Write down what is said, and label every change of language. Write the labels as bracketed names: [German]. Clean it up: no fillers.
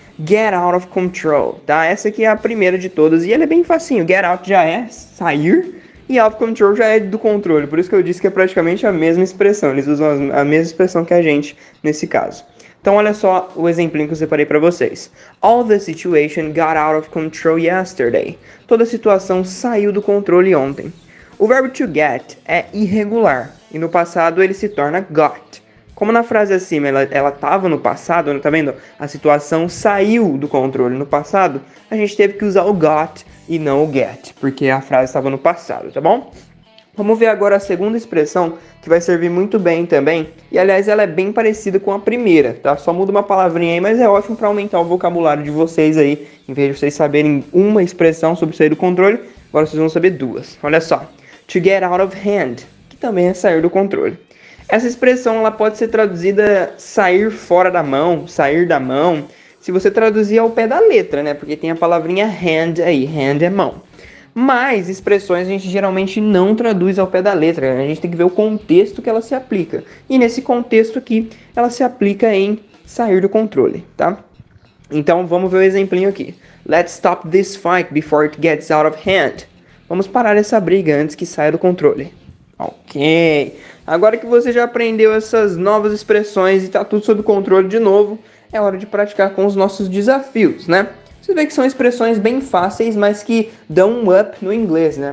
[English] Get out of control, [Portuguese] tá? Essa aqui é a primeira de todas e ela é bem facinho. [English] Get out [Portuguese] já é sair e [English] out of control [Portuguese] já é do controle. Por isso que eu disse que é praticamente a mesma expressão. Eles usam a mesma expressão que a gente nesse caso. Então olha só o exemplinho que eu separei para vocês. [English] All the situation got out of control yesterday. [Portuguese] Toda a situação saiu do controle ontem. O verbo to get é irregular e no passado ele se torna got. Como na frase acima ela estava no passado, tá vendo? A situação saiu do controle no passado, a gente teve que usar o got e não o get, porque a frase estava no passado, tá bom? Vamos ver agora a segunda expressão, que vai servir muito bem também. E aliás, ela é bem parecida com a primeira, tá? Só muda uma palavrinha aí, mas é ótimo para aumentar o vocabulário de vocês aí. Em vez de vocês saberem uma expressão sobre sair do controle, agora vocês vão saber duas. Olha só. [English] To get out of hand, [Portuguese] que também é sair do controle. Essa expressão ela pode ser traduzida sair fora da mão, sair da mão, se você traduzir ao pé da letra, né? Porque tem a palavrinha hand aí, hand é mão. Mas expressões a gente geralmente não traduz ao pé da letra, né? A gente tem que ver o contexto que ela se aplica. E nesse contexto aqui, ela se aplica em sair do controle, tá? Então vamos ver o exemplinho aqui. [English] Let's stop this fight before it gets out of hand. [Portuguese] Vamos parar essa briga antes que saia do controle. Ok, agora que você já aprendeu essas novas expressões e tá tudo sob controle de novo, é hora de praticar com os nossos desafios, né? Você vê que são expressões bem fáceis, mas que dão um up no inglês, né?